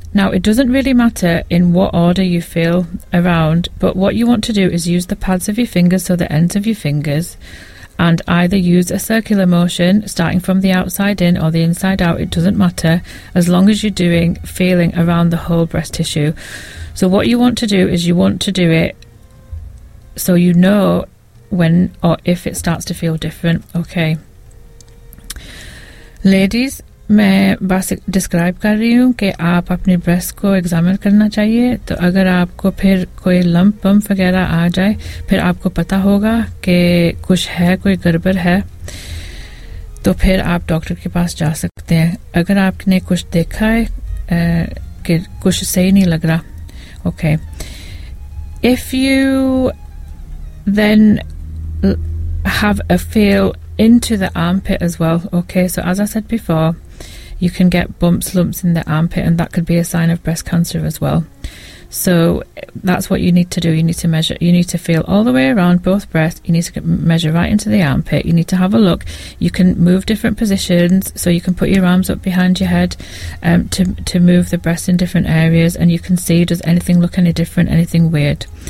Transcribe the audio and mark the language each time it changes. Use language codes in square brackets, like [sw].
[en] Now, it doesn't really matter in what order you feel around, but what you want to do is use the pads of your fingers, so the ends of your fingers, and either use a circular motion starting from the outside in or the inside out. It doesn't matter, as long as you're doing feeling around the whole breast tissue. So what you want to do is you want to do it so you know when or if it starts to feel different. Okay, ladies, [hi] मैं बस describe कर रही हूँ कि आप अपने breast को examine करना चाहिए तो अगर आपको फिर कोई लंप बम्प वगैरह आ जाए फिर आपको पता होगा कि कुछ है कोई गड़बड़ है तो फिर आप डॉक्टर के पास जा सकते हैं अगर आपने कुछ देखा है कि कुछ सही नहीं लग रहा [en] Okay if you then have a feel into the armpit as well. Okay, so as I said before, you can get bumps, lumps in the armpit, and that could be a sign of breast cancer as well. So that's what you need to do. You need to measure, you need to feel all the way around both breasts, you need to measure right into the armpit, you need to have a look. You can move different positions, so you can put your arms up behind your head to move the breasts in different areas, and you can see, does anything look any different, anything weird?